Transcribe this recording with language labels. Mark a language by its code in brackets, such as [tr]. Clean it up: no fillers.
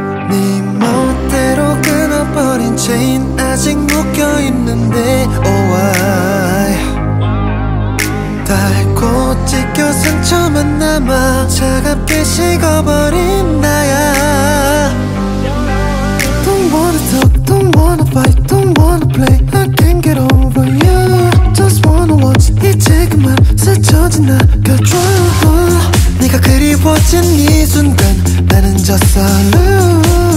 [ko] 네 멋대로 끊어버린 체인 아직 묶여있는데 [en] oh why. [ko] 달고 찢겨 상처만 남아 차갑게 식어버린 나야. [en] Don't wanna talk, don't wanna fight, don't wanna play, I can't get over you. Just wanna watch [ko] 이 지금만 스쳐 지나가 drama. 네가 그리워진 이 순간 나는 졌어 lose.